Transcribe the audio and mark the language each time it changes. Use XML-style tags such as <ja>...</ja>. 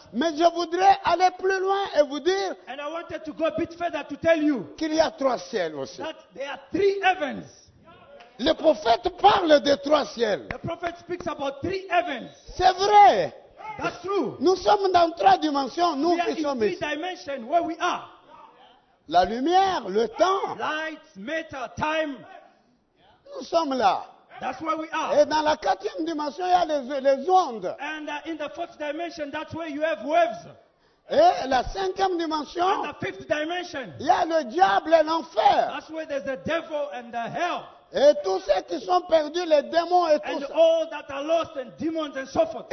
<fr>Mais je voudrais aller plus loin et vous dire.</fr> <en>And I wanted to go a bit further to tell you.</en> <fr>Qu'il y a trois ciels aussi.</fr> <en>That there are three heavens.</en> <fr>Le prophète parle des trois ciels.</fr> <en>The prophet speaks about three heavens.</en> <fr>C'est vrai.</fr> <en>That's true.</en> <fr>Nous sommes dans trois dimensions, nous</fr> <en>we</en> <fr>qui sommes ici.</fr> <en>Three dimensions where we are.</en> <fr>La lumière, le temps.</fr> <en>Light, matter, time.</en> <fr>Nous sommes là.</fr> <en>That's where we are.</en> <fr>Et dans la quatrième dimension, il y a les ondes.</fr> <en>And in the fourth dimension, that's where you have waves.</en> <fr>Et la cinquième dimension,</fr> <en>and the fifth dimension,</en> <fr>il y a le diable et l'enfer.</fr> <en>That's where there's the devil and the hell.</en> <fr>Et tous ceux qui sont perdus, les démons et tout ça.</fr> <en>All that are lost and demons and so forth.</en>